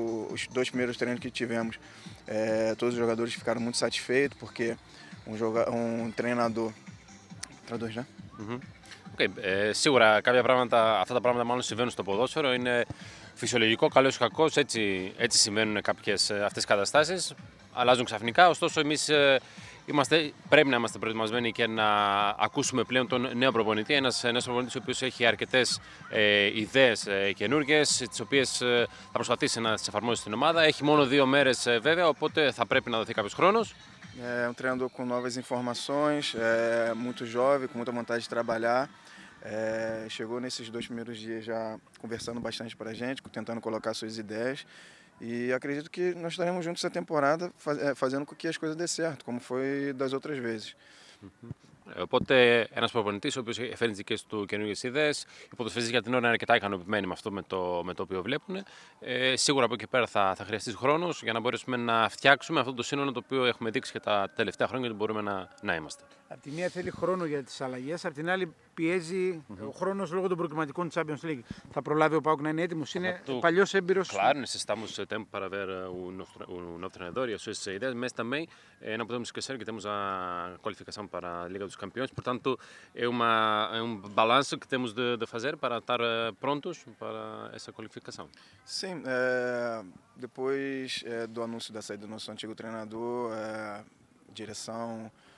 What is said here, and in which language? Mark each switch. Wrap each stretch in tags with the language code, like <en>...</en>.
<pt>Os dois primeiros treinos que tivemos, todos os jogadores ficaram muito satisfeitos, porque um treinador, né? Οκ, okay.</pt> <el>Σίγουρα κάποια πράγματα, αυτά τα πράγματα μάλλον συμβαίνουν στο ποδόσφαιρο, είναι φυσιολογικό, καλός ή κακός, έτσι συμβαίνουν κάποιες αυτές τις καταστάσεις, αλλάζουν ξαφνικά, ωστόσο εμείς πρέπει να είμαστε προετοιμασμένοι και να ακούσουμε πλέον τον νέο προπονητή, ένας νέος προπονητής ο οποίος έχει αρκετές ιδέες καινούργιες, τις οποίες θα προσπαθήσει να τις εφαρμόσει στην ομάδα, έχει μόνο 2 μέρες βέβαια, οπότε θα πρέπει να δοθεί κάποιος χρόνος.</el> <pt>Um treinador com novas informações, muito jovem, com muita vontade de trabalhar. Chegou nesses 2 primeiros dias já conversando bastante para a gente, tentando colocar suas ideias. E acredito que nós estaremos juntos essa temporada, fazendo com que as coisas dê certo, como foi das outras vezes.</pt> <el>Οπότε ένας προπονητής ο οποίος φέρνει δικές του καινούργιες ιδέες, οι ποδοσφαιριστές για την ώρα είναι αρκετά ικανοποιημένοι με αυτό με το οποίο βλέπουν. Σίγουρα από εκεί και πέρα θα χρειαστεί χρόνος για να μπορέσουμε να φτιάξουμε αυτό το σύνολο το οποίο έχουμε δείξει και τα τελευταία χρόνια ότι μπορούμε να είμαστε. Απ' τη μία θέλει χρόνο για τις αλλαγές, απ' την άλλη πιέζει ο χρόνος λόγω των προκριματικών της Champions League. Θα προλάβει ο ΠΑΟΚ να είναι έτοιμος, είναι παλιός έμπειρος.</el> <pt>Claro, necesitamos tempo para ver o novo treinador e as suas ideias, mas também não podemos esquecer que temos a qualificação para a Liga dos Campeões. Portanto, é um balanço que temos de fazer para estar prontos para essa qualificação. Sim, depois do anúncio da saída do nosso antigo treinador, direção.</pt>